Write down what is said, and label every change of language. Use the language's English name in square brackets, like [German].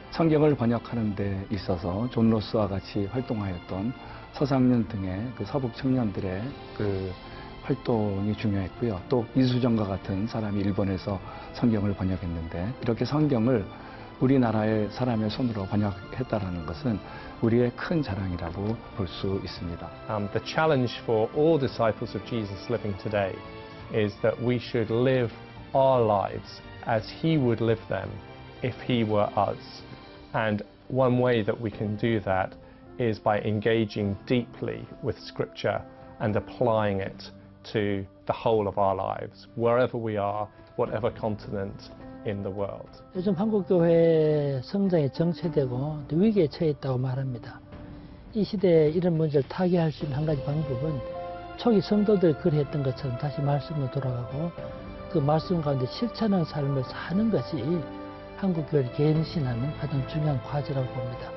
[Korean] 성경을 번역하는 데 있어서 존 로스와 같이 활동하였던 서상년 등의 그 서북 청년들의 그 활동이 중요했고요. 또 이수정과 같은 사람이 일본에서 성경을 번역했는데 이렇게 성경을 우리나라의 사람의 손으로 번역했다라는 것은 우리의 큰 자랑이라고 볼 수 있습니다. [English] The challenge for all disciples of Jesus living today is that we should live our lives as he would live them if he were us. And one way that we can do that is by engaging deeply with scripture and applying it to the whole of our lives, wherever we are, whatever continent in the world. [Korean] 요즘 한국교회 성장이 정체되고 위기에 처해 있다고 말합니다. 이 시대에 이런 문제를 타개할 수 있는 한 가지 방법은 초기 성도들 그리했던 것처럼 다시 말씀으로 돌아가고 그 말씀 가운데 실천한 삶을 사는 것이 한국교회를 갱신하는 가장 중요한 과제라고 봅니다.